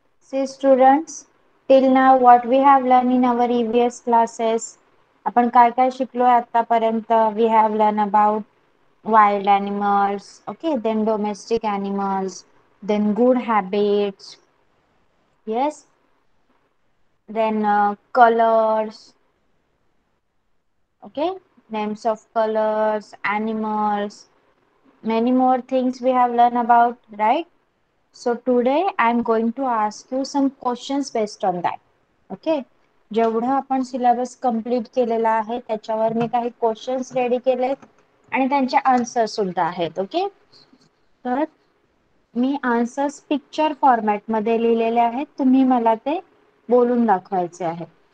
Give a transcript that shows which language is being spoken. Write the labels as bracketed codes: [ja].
[en] see students, till now what we have learn in our EVS classes, [mr] आपण काय काय शिकलो आहे आतापर्यंत। [en] We have learn about wild animals, okay, then domestic animals, then good habits, yes, then colours, okay, names of colours, animals, many more things we have learn about, right. So today I am going to ask you some questions based on that. [mr] Okay, जेवढं आपण syllabus complete केलेला आहे त्याच्यावर मी काही questions ready केले आहेत आणि त्यांचे आन्सर्स सुद्धा आहेत। ओके, तर मी आन्सर्स पिक्चर फॉर्मॅटमध्ये लिहिलेले आहेत, तुम्ही मला ते बोलून दाखवायचे आहे।